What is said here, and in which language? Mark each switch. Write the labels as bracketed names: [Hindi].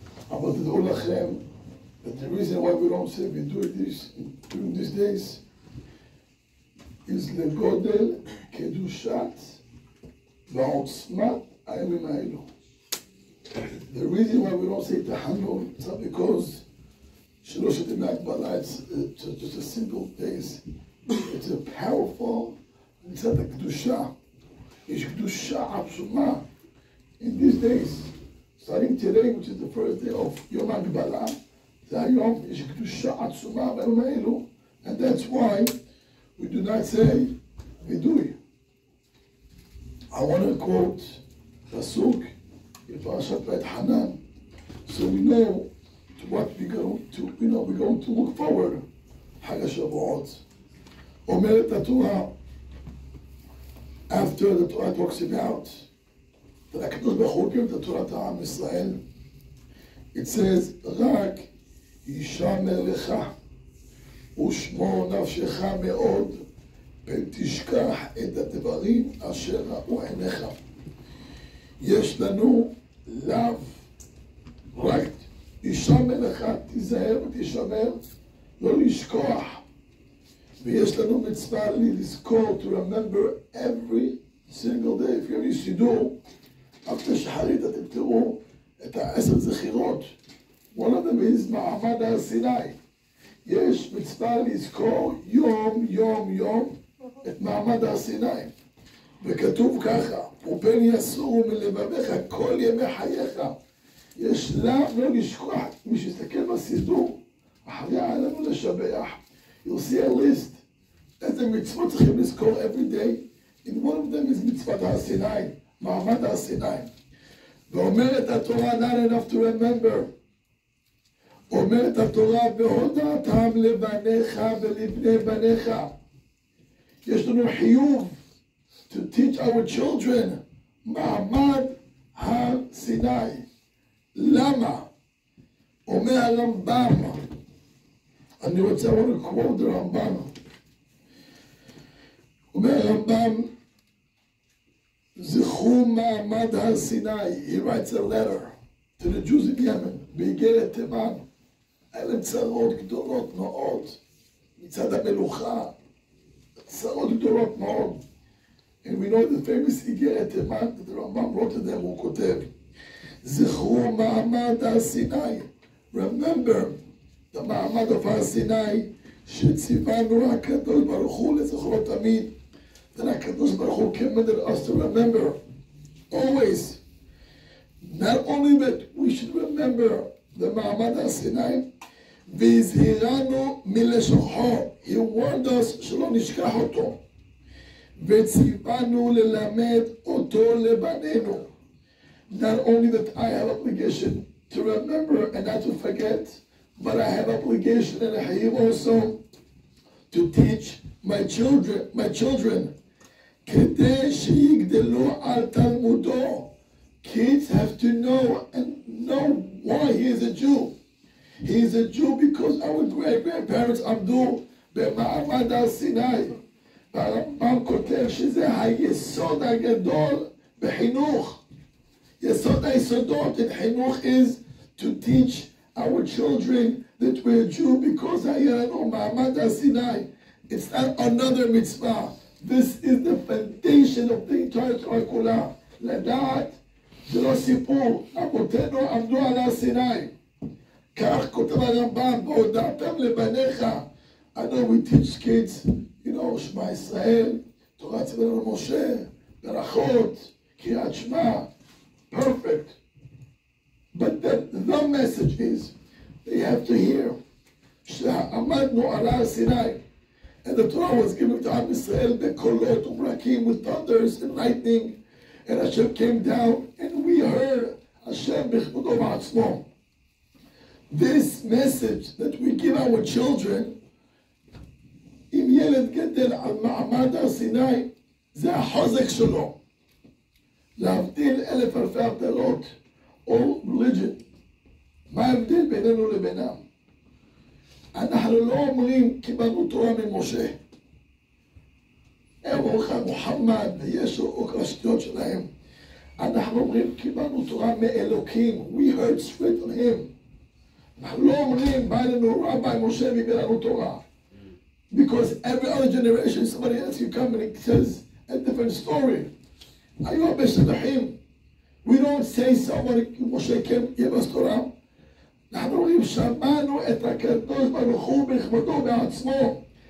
[Hebrew] אבל תדעו לכם, [English] that the reason why we don't say we do it this, during these days, is [Hebrew] לגודל קדושת ועוצמת הימים האלו. [English] The reason why we don't say תחנון, it's not because [Hebrew] שלושת ימי ההגבלה, [English] it's just a simple days. It's a powerful, [Hebrew] מצד הקדושה. יש קדושה עצומה [English] in these days. Starting today, which is the first day of [Hebrew] יום ההגבלה, זה היום, יש קדושה עצומה בימים האלו. [English] And that's why we do not say, we do it. I want to quote פסוק, בפרשת ויתחנן. So we know what we go to, you know, we go to look forward. [Hebrew] חג השבועות. אומרת התורה, [English] after the Torah talks about the [Hebrew] הקדוש ברוך הוא קיים את תורת העם ישראל, [English] it says, [Hebrew] רק ישמר לך ושמור נפשך מאוד, פן תשכח את הדברים אשר ראו עיניך. יש לנו לאו רק ישמר לך, תיזהר ותשמר, לא לשכוח. ויש לנו מצווה לזכור, [English] to remember every single day. [Hebrew] אם יש סידור, אחרי שחרית אתם תראו את העשר זכירות. [English] One of them is מעמד הר סיני. [Hebrew] יש מצווה לזכור יום, יום, יום את מעמד הר סיני. וכתוב ככה, ופן יסורו מלבביך כל ימי חייך. יש לאו לא לשכוח, מי שיסתכל בסידור, אחרי עלינו לשבח. [English] You'll see a list. [Hebrew] איזה מצוות צריכים לזכור [English] every day, in one of them is [Hebrew] מצוות הר סיני, מעמד הר סיני. ואומרת התורה, [English] not enough to remember, [Hebrew] אומרת התורה, והודעתם לבניך ולבני בניך. יש לנו חיוב [English] to teach our children [Hebrew] מעמד הר סיני. למה? אומר הרמב״ם, אני רוצה לומר קוד רמב״ם, אומר רמב״ם, זכרו מעמד הר סיני. [English] He writes a letter to the Jews in Yemen, באיגרת תימן. [Hebrew] אלה צרות גדולות מאוד מצד המלוכה. צרות גדולות מאוד. [English] And we know the famous [Hebrew] איגרת תימן, [English] that [Hebrew] רמב״ם [English] wrote to them, [Hebrew] הוא כותב, זכרו מעמד הר סיני. [English] Remember the [Hebrew] מעמד of הר סיני שציוונו הקדוש ברוך הוא לזכרו תמיד. [English] Then הקדוש ברוך הוא commanded us to remember, always. Not only that, we should remember the מעמד הר סיני, [Hebrew] והזהירנו מלשכחו. [English] He warned us [Hebrew] שלא נשכח אותו. וציוונו ללמד אותו לבנינו. [English] Not only that I have obligation to remember and not to forget, but I have obligation and a chayiv also to teach my children, [Hebrew] כדי שיגדלו על תלמודו. [English] Kids have to know and know why he is a Jew. He is a Jew because our great-grandparents [Hebrew] עמדו במעמד הר סיני. והרמב"ם כותב שזה היסוד הגדול בחינוך. יסוד היסודות [English] in חינוך is to teach our children that we're Jew because [Hebrew] היה לנו מעמד הר סיני. [English] It's not another mitzvah. This is the foundation of the entire Torah כולה. [Hebrew] לדעת, זה לא סיפור. אבותינו עמדו על הר סיני. כך כותב הרמב"ם, והודעתם לבניך. [English] I know we teach kids, you know, [Hebrew] שמע ישראל, תורה ציוונו למשה, ברכות, קריאת שמע. [English] Perfect. But then the message is they have to hear [Hebrew] שעמדנו על הר סיני. [English] And the Torah was given to Am Yisrael [Hebrew] בקולות וברקים [English] with thunders and lightning. And Hashem came down and we heard Hashem [Hebrew] בכבודו בעצמו. [English] This message that we give our children, [Hebrew] אם ילד גדל על מעמד הר סיני, זה החוזק שלו. להבדיל אלף אלפי הבדלות, [English] all religion. [Hebrew] מה ההבדיל בינינו לבינם? אנחנו לא אומרים קיבלנו תורה ממשה. הם אומרים מוחמד וישו או כרשתיות שלהם. אנחנו אומרים קיבלנו תורה מאלוקים. [English] We heard straight on him. [Hebrew] אנחנו לא אומרים בא לנו רבי משה ויביא לנו תורה. [English] Because every other generation, somebody else you come and it says a different story. [Hebrew] היו הרבה שלחים. [English] We don't say somebody, [Hebrew] משה כן, יביא לנו תורה. אנחנו אומרים, שמענו את הקדוש ברוך הוא בכבודו בעצמו.